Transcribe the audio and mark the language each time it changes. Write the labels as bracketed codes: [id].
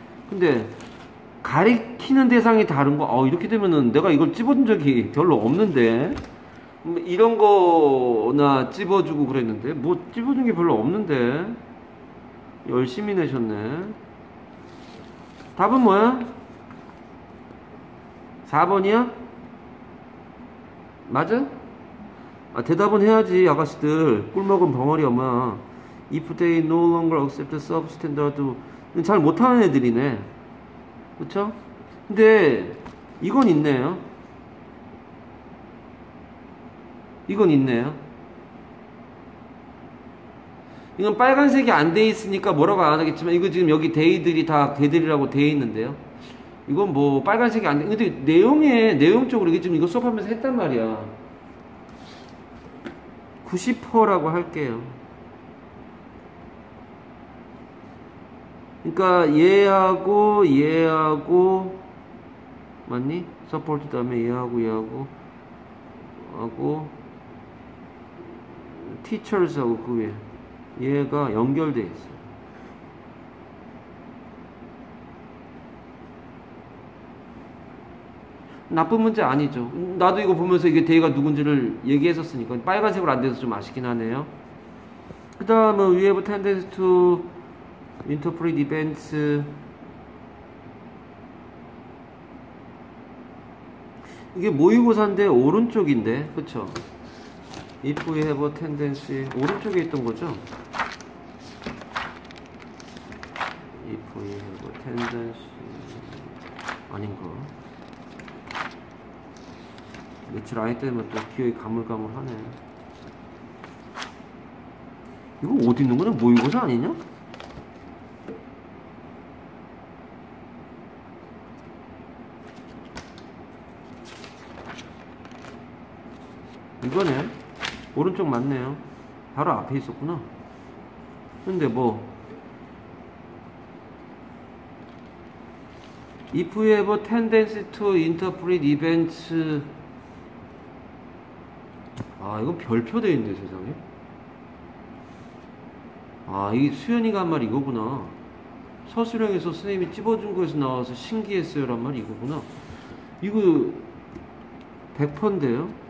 [ko] 근데 가리키는 대상이 다른 거. 이렇게 되면은 내가 이걸 찝어준 적이 별로 없는데 이런 거나 찝어주고 그랬는데 뭐 찝어준 게 별로 없는데. 열심히 내셨네. 답은 뭐야? 4번이야? 맞아? 아, 대답은 해야지, 아가씨들. 꿀먹은 벙어리 엄마. [en] If they no longer accept the substandard. [ko] 잘 못하는 애들이네. 그쵸? 근데, 이건 있네요. 이건 있네요. 이건 빨간색이 안 돼 있으니까 뭐라고 안 하겠지만, 이거 지금 여기 데이들이 다 개들이라고 돼 있는데요. 이건 뭐 빨간색이 안 돼. 근데 내용적으로 이게 지금 이거 수업하면서 했단 말이야. 90%라고 할게요. 그러니까 얘하고 얘하고 맞니? 서포트 다음에 얘하고 하고 티처스하고 그 위에 얘가 연결되어 있어요. 나쁜 문제 아니죠. 나도 이거 보면서 이게 대가 누군지를 얘기했었으니까. 빨간색으로 안 돼서 좀 아쉽긴 하네요. 그 다음은 [en] We have a tendency to interpret events. [ko] 이게 모의고사인데 오른쪽인데. 그쵸? [en] If we have a tendency. [ko] 오른쪽에 있던 거죠? [en] If we have a tendency. [ko] 아닌가? 며칠 안 했다면 또 기억이 가물가물 하네. 이거 어디 있는 거냐? 모의고사 아니냐? 이거네. 오른쪽 맞네요. 바로 앞에 있었구나. 근데 뭐 [en] If we have a tendency to interpret events. [ko] 아, 이거 별표 돼 있는데 세상에. 아, 이 수연이가 한 말 이거구나. 서술형에서 선생님이 찝어준 거에서 나와서 신기했어요란 말 이거구나. 이거 100%인데요.